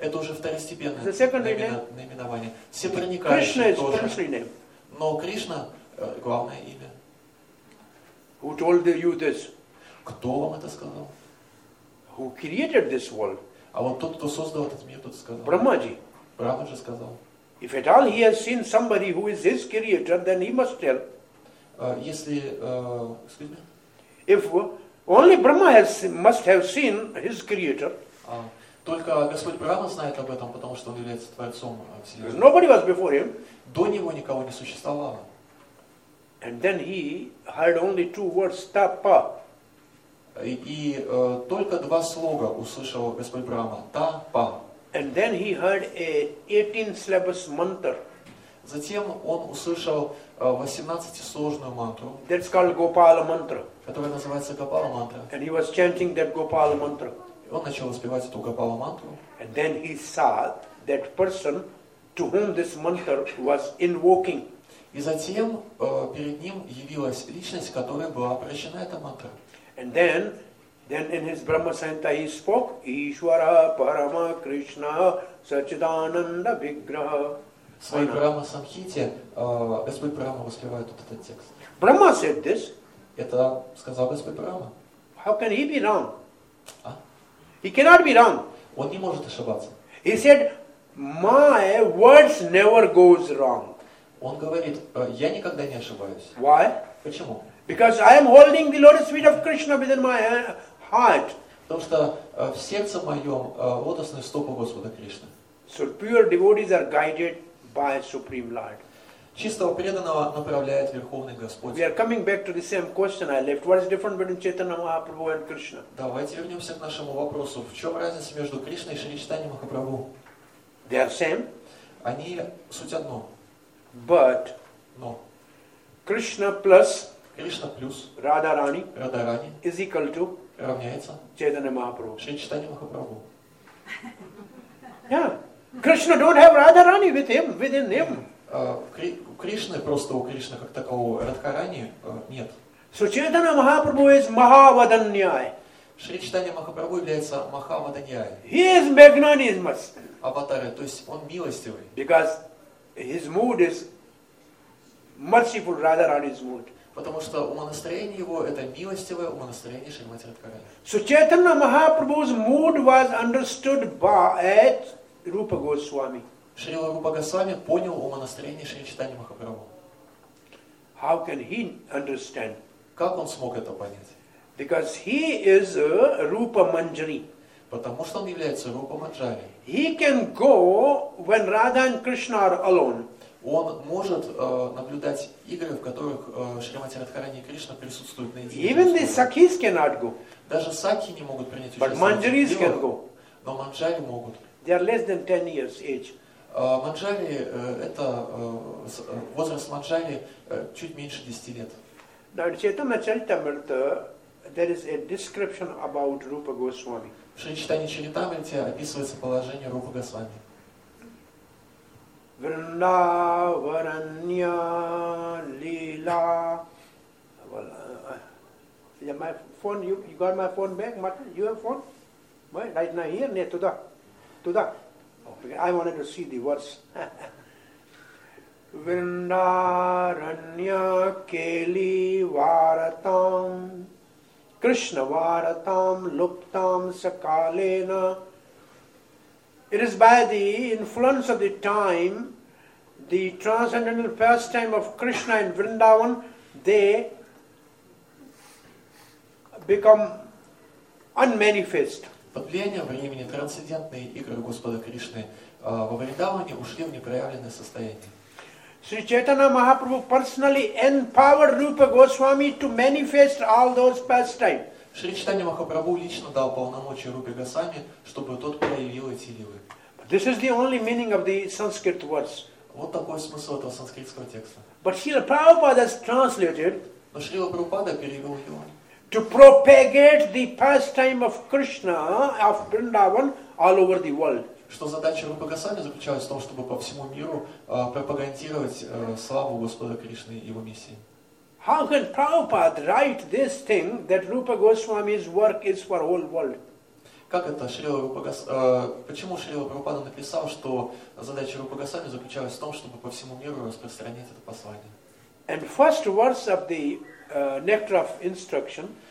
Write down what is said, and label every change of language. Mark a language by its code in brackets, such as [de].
[ru] Это уже второстепенное наименование. Все проникающие тоже. [en] Krishna is primary name. [ru] Но Кришна главное имя. [en] Who told you this? [ru] Кто вам это сказал? [en] Who created this world? [ru] А вот тот, кто создал этот мир, тот сказал. Брахмаджи. Брахма же сказал. [en] If at all he has seen somebody who is his creator, then he must tell. [ru] Если, [en] excuse me. If only Brahma has must have seen his creator. [ru] Только Господь Брахма знает об этом, потому что он является творцом вселенной. [en] Nobody was before him. [ru] До него никого не существовало. [en] And then he heard only two words: "Тапа". [ru] И только два слога услышал Господь Брахма: "Тапа". [en] And then he heard a 18-syllabic mantra. [ru] Затем он услышал 18-сложную мантру. [en] That's called Gopala mantra. [ru] Которая называется Гопала мантра. [en] And he was chanting that Gopala mantra. [ru] Он начал воспевать эту Гопала мантру. [en] And then he saw that person to whom this mantra was invoking. [ru] И затем перед ним явилась личность, которая была обращена эта мантра. [en] And then in his Brahma Santa he spoke [sa] Ishvara Parama Krishna Sachidananda Vigraha. [ru] В своей Брахма Самхите Господь Брахма воспевает вот этот текст. [en] Брахма said this. [ru] Это сказал Господь Брахма. [en] How can he be wrong? [ru] А? [en] He cannot be wrong. [ru] Он не может ошибаться. [en] He said, my words never goes wrong. [ru] Он говорит, я никогда не ошибаюсь. [en] Why? [ru] Почему? [en] Because I am holding the lotus feet of Krishna within my heart. [ru] Потому что в сердце моем лотосные стопы Господа Кришны. [en] So pure devotees are guided by Supreme Lord. [ru] Чистого преданного направляет Верховный Господь. [en] We are coming back to the same question I left. What is different between Chaitanya Mahaprabhu and Krishna? [ru] Давайте вернемся к нашему вопросу. В чем разница между Кришной и Шри Чайтанья Махапрабху? [en] They are same. [ru] Они суть одно. [en] But. [ru] Но. [en] Krishna plus. [ru] Кришна плюс. [en] Radharani. [ru] Radharani. [en] Is equal to. [ru] Равняется. [en] Chaitanya Mahaprabhu. [ru] Шри Чайтанья Махапрабху. [en] Yeah. Krishna don't have Radharani with him, within him. [ru] Кришны, просто у Кришны как такового Радхарани нет. [en] So Chaitanya Mahaprabhu is Mahavadanyaya. [ru] Шри Чайтанья Махапрабху является Mahavadanyaya. [en] He is magnanimous. [ru] Аватара, то есть он милостивый. [en] Because his mood is merciful, Radharani's mood. [ru] Потому что умонастроение его это милостивое умонастроение Шримати Радхарани. [en] So Chaitanya Mahaprabhu's mood was understood by Rupa Goswami. [ru] Шрила Рупа Госвами понял умонастроение Шри Чайтанья Махапрабху. [en] How can he understand? [ru] Как он смог это понять? [en] Because he is a Rupa Manjari. [ru] Потому что он является Рупа Манджари. [en] He can go when Radha and Krishna are alone. [ru] Он может наблюдать игры, в которых Шримати Радхарани и Кришна присутствуют на единстве. [en] Even the Sakhis cannot go. [ru] Даже Сакхи не могут принять участие. [en] But Manjaris can go. [ru] Но Манджари могут. [en] They are less than 10 years age. [ru] Манджари, это возраст Манджари чуть меньше 10 лет. [en] Now, in Chaitanya Charitamrita, there is a description about Rupa Goswami. [ru] В Шри Чайтанья Чаритамрите описывается положение Рупа Госвами. [sa] Вриндаваранья лила. [en] Well, yeah, my phone, you got my phone back, Martin? You have phone? Why? Right now here? [ru] Не, туда. Туда. [en] I wanted to see the verse. [sa] Vrindaranya keli varatam Krishna Varatam Luptam Sakalena. [en] It is by the influence of the time, the transcendental pastime of Krishna in Vrindavan, they become unmanifest. [ru] Под влиянием времени трансцендентные игры Господа Кришны во Вриндаване ушли в непроявленное состояние. [en] Sri Chaitanya Mahaprabhu personally empowered Rupa Goswami to manifest all those pastimes. [ru] Sri Chaitanya Mahaprabhu лично дал полномочия Рупе Госвами, чтобы тот проявил эти ливы. [en] This is the only meaning of the Sanskrit words. [ru] Вот такой смысл этого санскритского текста. [en] But Srila Prabhupada has translated. [ru] Но Srila Prabhupada перевел его. [en] To propagate the pastime of Krishna of Vrindavan all over the world. [ru] Что задача Рупы Госвами заключалась в том, чтобы по всему миру пропагандировать славу Господа Кришны и его миссии. [en] How can Prabhupada write this thing that Rupa Goswami's work is for whole world? [ru] Как это Шрила Рупа Госвами, почему Шрила Прабхупада написал, что задача Рупы Госвами заключалась в том, чтобы по всему миру распространять это послание? [en] And first words of the Nectar of Instruction.